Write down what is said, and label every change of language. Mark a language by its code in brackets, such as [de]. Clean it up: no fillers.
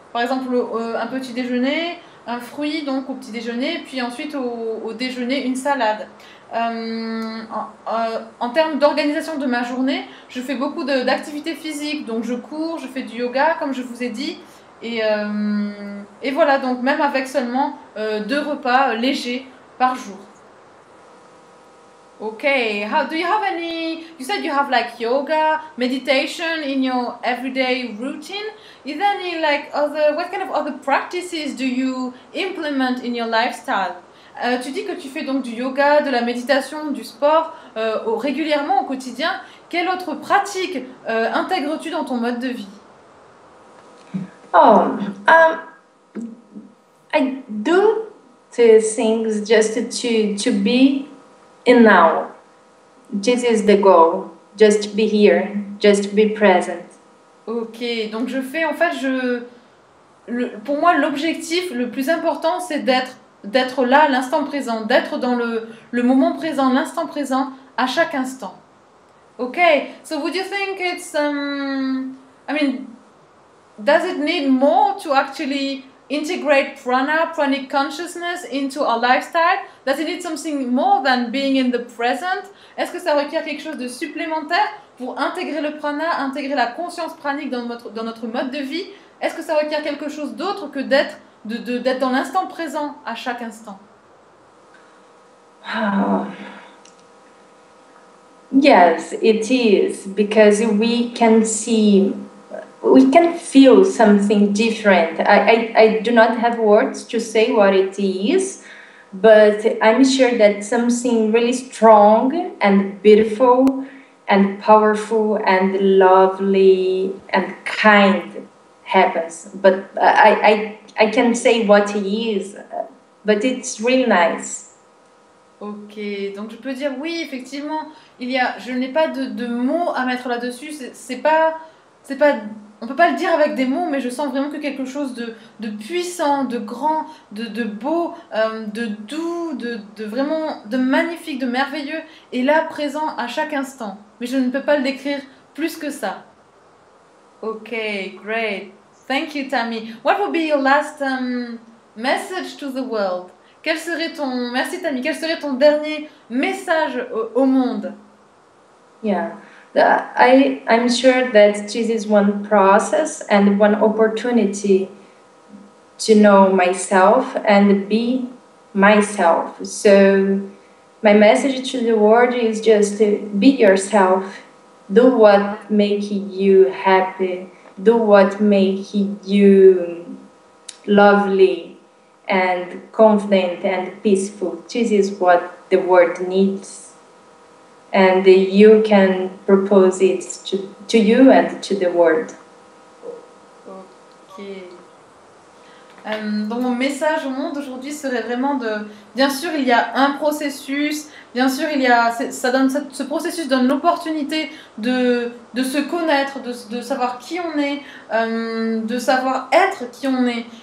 [fr] Par exemple, un petit déjeuner, un fruit donc au petit déjeuner, puis ensuite au déjeuner, une salade. En termes d'organisation de ma journée, je fais beaucoup d'activités physiques, donc je cours, je fais du yoga, comme je vous ai dit. Et voilà, donc même avec seulement deux repas légers par jour. [en] Okay, you said you have like yoga, meditation in your everyday routine. Is there any like what kind of other practices do you implement in your lifestyle? [fr] Tu dis que tu fais donc du yoga, de la méditation, du sport régulièrement au quotidien. Quelle autre pratique intègres-tu dans ton mode de vie? [en] I do the things just to be in now. This is the goal. Just be here. Just be present. [fr] Ok, donc je fais en fait, pour moi l'objectif le plus important c'est d'être là, l'instant présent, d'être dans le moment présent, l'instant présent à chaque instant. [en] Ok, so would you think it's, does it need more to actually integrate prana, pranic consciousness into our lifestyle? Does it need something more than being in the present? [fr] Est-ce que ça requiert quelque chose de supplémentaire pour intégrer le prana, intégrer la conscience pranique dans notre mode de vie? Est-ce que ça requiert quelque chose d'autre que d'être dans l'instant présent à chaque instant? [en] Yes, it is, because we can feel something different. I do not have words to say what it is, but I'm sure that something really strong and beautiful and powerful and lovely and kind happens. But I can say what it is, but it's really nice. [fr] Ok, donc je peux dire oui, effectivement, je n'ai pas de mots à mettre là-dessus, c'est pas on ne peut pas le dire avec des mots, mais je sens vraiment que quelque chose de puissant, de grand, de beau, de doux, de vraiment de magnifique, de merveilleux, est là présent à chaque instant. Mais je ne peux pas le décrire plus que ça. [en] Ok, great. Thank you, Tammy. What would be your last message to the world? [fr] Merci, Tammy. Quel serait ton dernier message au monde? [en] Yeah. I'm sure that this is one process and one opportunity to know myself and be myself. So my message to the world is just to be yourself. Do what makes you happy. Do what makes you lovely and confident and peaceful. This is what the world needs. And you can propose it to you and to the world. Ok. [fr] Donc mon message au monde aujourd'hui serait vraiment de... Bien sûr, il y a un processus. Bien sûr, ce processus donne l'opportunité de se connaître, de savoir qui on est, de savoir être qui on est.